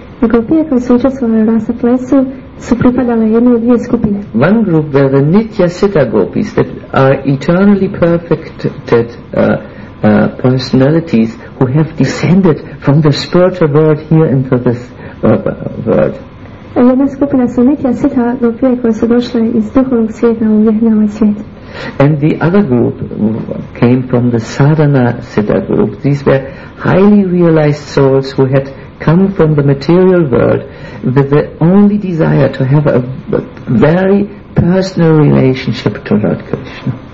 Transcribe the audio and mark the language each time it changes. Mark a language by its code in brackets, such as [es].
[hr] Gopije koje su učestvovali u rasa plesu su pripadale jednoj dvije skupine. [en] One group were the Nitya Siddha gopis that are eternally perfected personalities who have descended from the spiritual world here into this world. [hr] A jedna skupina su Nitya Siddha gopije koje su došle iz duhovnog svijeta u ovaj svijet. [en] And the other group came from the Sadhana Siddha group. These were highly realized souls who had come from the material world with the only desire to have a very personal relationship to Lord Krishna.